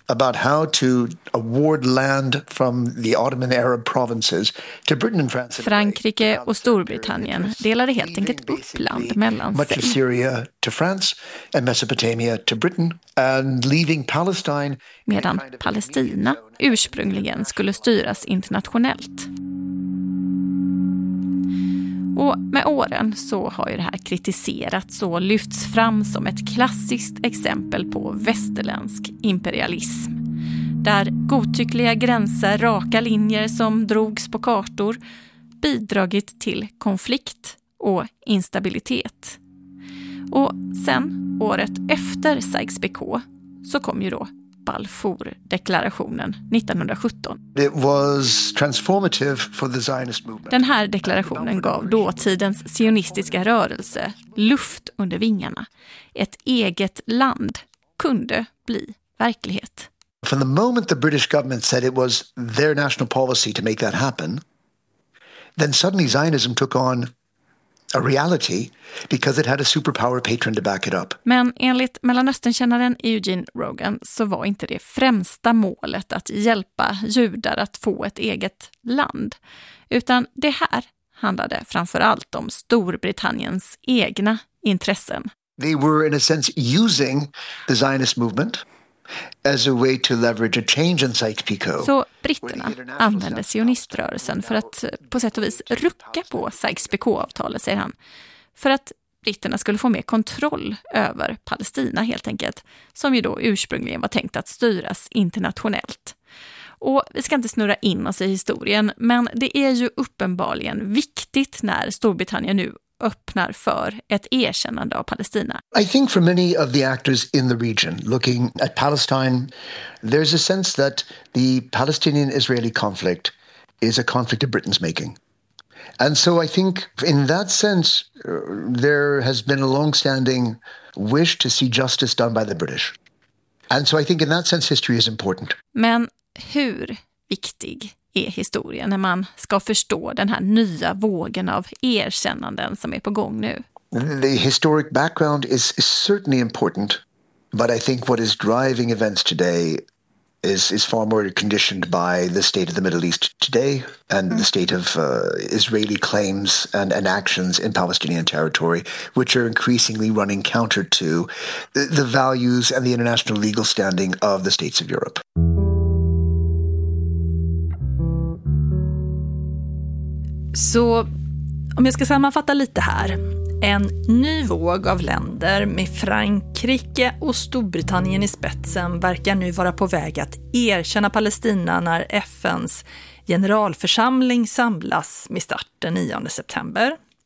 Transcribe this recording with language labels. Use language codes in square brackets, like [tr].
[en] About how to award land from the Ottoman Arab provinces to Britain and France. [sv] Frankrike och Storbritannien delade helt enkelt upp land mellan sig. [en] Much of Syria to France and Mesopotamia to Britain and leaving Palestine. [sv] Medan Palestina ursprungligen skulle styras internationellt. Och med åren så har ju det här kritiserats och lyfts fram som ett klassiskt exempel på västerländsk imperialism. Där godtyckliga gränser, raka linjer som drogs på kartor, bidragit till konflikt och instabilitet. Och sen, året efter Sykes-Picot, så kom ju då Balfour-deklarationen 1917. [en] It was transformative for the Zionist movement. [sv] Den här deklarationen gav dåtidens sionistiska rörelse luft under vingarna. Ett eget land kunde bli verklighet. [en] From the moment the British government said it was their national policy to make that happen, then suddenly Zionism took on a reality because it had a superpower patron to back it up. [sv] Men enligt Mellanösternkännaren Eugene Rogan så var inte det främsta målet att hjälpa judar att få ett eget land, utan det här handlade framförallt om Storbritanniens egna intressen. [en] They were in a sense using the Zionist movement as a way to leverage a change in Sykes-Picot. [sv] Så britterna använde sioniströrelsen för att på sätt och vis rucka på Sykes-Picot-avtalet, säger han. För att britterna skulle få mer kontroll över Palestina helt enkelt, som ju då ursprungligen var tänkt att styras internationellt. Och vi ska inte snurra in oss i historien, men det är ju uppenbarligen viktigt när Storbritannien nu öppnar för ett erkännande av Palestina. [en] I think for many of the actors in the region looking at Palestine, there's a sense that the Palestinian-Israeli conflict is a conflict of Britain's making. And so I think in that sense there has been a long-standing wish to see justice done by the British. And so I think in that sense history is important. [sv] Men hur viktig är historien när man ska förstå den här nya vågen av erkännanden som är på gång nu? [en] The historic background is certainly important, but I think what is driving events today is far more conditioned by the state of the Middle East today and the state of Israeli claims and actions in Palestinian territory, which are increasingly running counter to the values and the international legal standing of the states of Europe. [sv] Så om jag ska sammanfatta lite här. En ny våg av länder med Frankrike och Storbritannien i spetsen verkar nu vara på väg att erkänna Palestina när FNs generalförsamling samlas med start den 9 september.